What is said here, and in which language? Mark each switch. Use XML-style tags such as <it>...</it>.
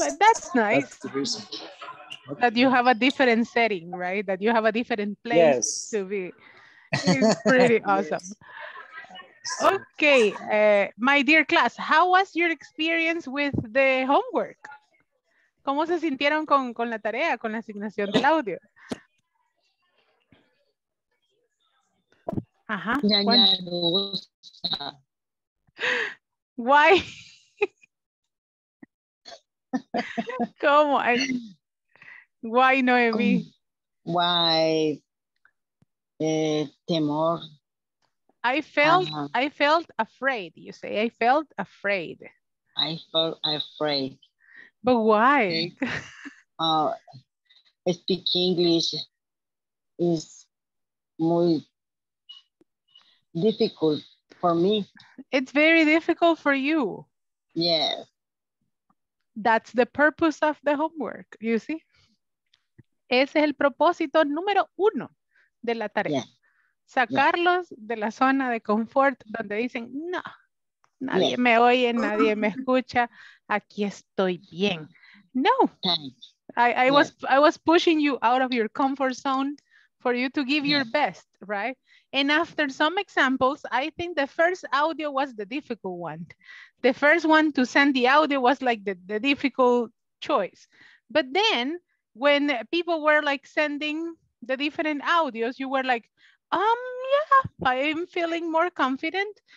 <en>that's that's nice the reason. that you Okay. have a different setting, right? That you have a different place Yes. to be. It's pretty awesome. Yes. So. Okay, my dear class, how was your experience with the homework?</en> <es>¿Cómo se sintieron con la tarea, con la asignación del audio? Ajá, Juancho.</es> <en>Why? ¿Cómo? Why, Noemi? Why temor I felt afraid, you say. I felt afraid. I felt afraid. But why? Okay. I speak English is muy difficult for me. It's very difficult for you. Yes. That's the purpose of the homework, you see.</en> <es>Ese es el propósito número uno de la tarea. Sacarlos de la zona de confort donde dicen, no, nadie</es> <en>Yes.</en> <es>me oye, nadie me escucha, aquí estoy bien. No,</es> <en>Thanks. Yes. I was pushing you out of your comfort zone for you to give your Yes. best, right? And after some examples, I think the first audio was the difficult one. The first one to send the audio was like the difficult choice. But then when people were like sending the different audios, you were like, yeah, I am feeling more confident.</en>